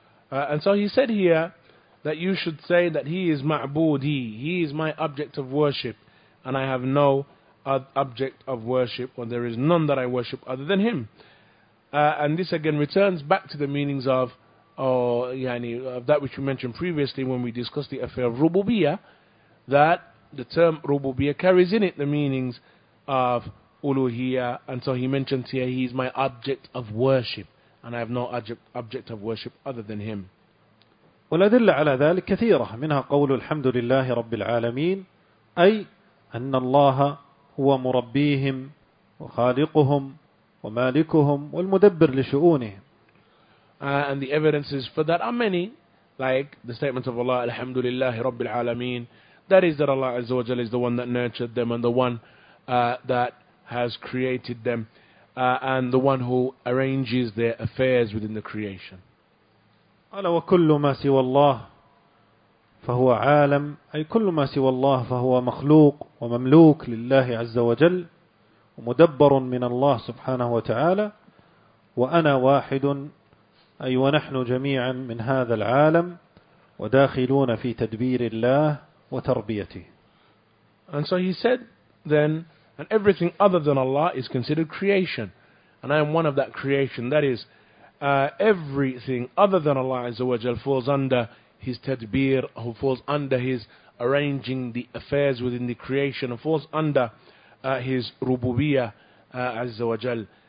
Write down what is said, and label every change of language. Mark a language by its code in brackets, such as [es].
[en] And so he said here that you should say that he is معبودي, he is my object of worship, and I have no object of worship, or there is none that I worship other than him. And this again returns back to the meanings of that which we mentioned previously when we discussed the affair of rububiyya, that the term rububiyya carries in it the meanings of uluhiyya. And so he mentions here, he is my object of worship, and I have no object of worship other than him. [ar] والأدلة على ذلك كثيرة, منها قول الحمد لله رب العالمين, أي أن الله هو مربيهم وخالقهم ومالكهم والمدبر لشؤونهم. [en] And the evidences for that are many, like the statement of Allah, [ar] Alhamdulillahi Rabbil Alameen, [en] that is that Allah Azza wa Jal is the one that nurtured them and the one that has created them and the one who arranges their affairs within the creation. [ar] قال وكل ما سوى الله فهو عالم, أي كل ما سوى الله فهو مخلوق ومملوك لله عز وجل ومدبر من الله سبحانه وتعالى, وأنا واحد أي ونحن جميعا من هذا العالم وداخلون في تدبير الله وتربيته. [en] And so he said then, and everything other than Allah is considered creation, and I am one of that creation. That is, everything other than Allah Azza wa Jal falls under his tadbir, who falls under his arranging the affairs within the creation, and falls under his rububiyya Azza wa Jal.